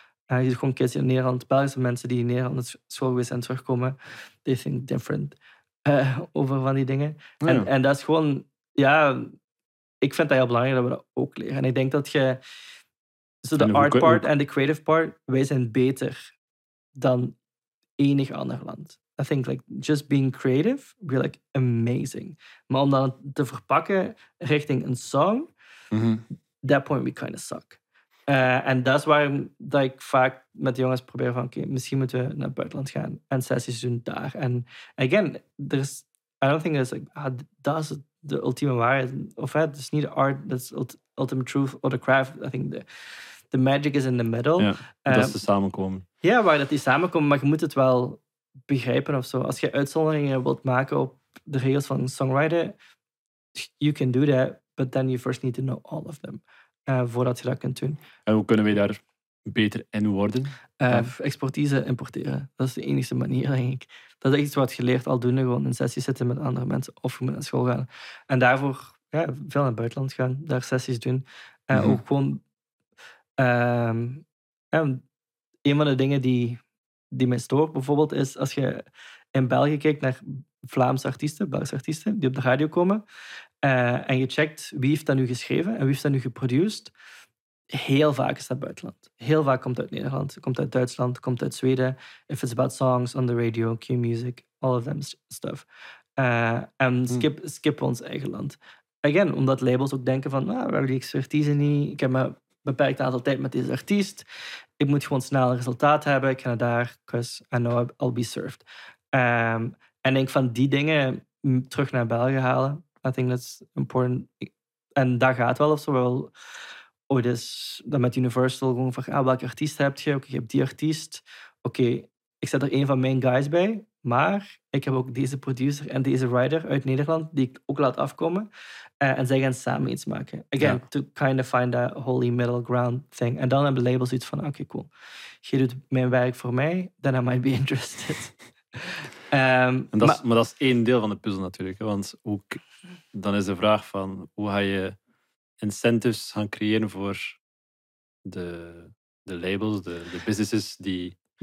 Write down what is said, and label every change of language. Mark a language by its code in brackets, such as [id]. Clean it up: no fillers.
[nl] Je ziet gewoon kids in Nederland, Belgische mensen die in Nederland school geweest zijn terugkomen. [en] They think different [nl] over van die dingen. Ja. En dat is gewoon, ja, ik vind dat heel belangrijk dat we dat ook leren. En ik denk dat je, zo de art part en de creative part, wij zijn beter dan enig ander land. [en] I think like just being creative, we're like amazing. [nl] Maar om dan te verpakken richting een song, [en] that point we kind of suck. [nl] En dat is waarom dat ik vaak met de jongens probeer van, oké, misschien moeten we naar het buitenland gaan en sessies doen daar. [en] En again, there's, I don't think it's like, [nl] dat is de ultieme waarheid. Of het is niet de art, dat is [en] ultimate truth or the craft. I think the magic is in the middle. [nl] Ja, dat is de samenkomen. Ja, yeah, waar dat die samenkomen, maar je moet het wel begrijpen of zo. Als je uitzonderingen wilt maken op de regels van songwriter, [en] you can do that, but then you first need to know all of them. [nl] Voordat je dat kunt doen. En hoe kunnen we daar beter in worden? Expertise importeren. Dat is de enige manier, denk ik. Dat is iets wat je leert al doen, gewoon in sessies zitten met andere mensen of je moet naar school gaan. En daarvoor ja, veel naar het buitenland gaan, daar sessies doen. Ook gewoon... een van de dingen die mij stoort bijvoorbeeld is als je in België kijkt naar Belgische artiesten die op de radio komen en je checkt wie heeft dat nu geschreven en wie heeft dat nu geproduced. Heel vaak is dat buitenland. Heel vaak komt uit Nederland, komt uit Duitsland, komt uit Zweden. [en] If it's about songs on the radio, Q Music, all of them stuff. [nl] En skip ons eigen land. Again, omdat labels ook denken van, ah, we hebben die expertise niet, ik heb maar beperkt aantal tijd met deze artiest. Ik moet gewoon snel een resultaat hebben. Ik ga naar daar, [en] because I know I'll be served. [nl] En ik denk van die dingen terug naar België halen. [en] I think that's important. [nl] En daar gaat wel of zo wel. Oh, dus dan met Universal gewoon van, ah, welke artiest heb je? Oké, ik heb die artiest. Oké, ik zet er een van mijn guys bij. Maar ik heb ook deze producer en deze writer uit Nederland die ik ook laat afkomen. En zij gaan samen iets maken. [en] Again, to kind of find that holy middle ground thing. [nl] En dan hebben labels iets van, oké, cool. Je doet mijn werk voor mij, [en] then I might be interested. [nl] maar dat is één deel van de puzzel natuurlijk. Want ook, dan is de vraag van, hoe ga je incentives gaan creëren voor de labels, de businesses die...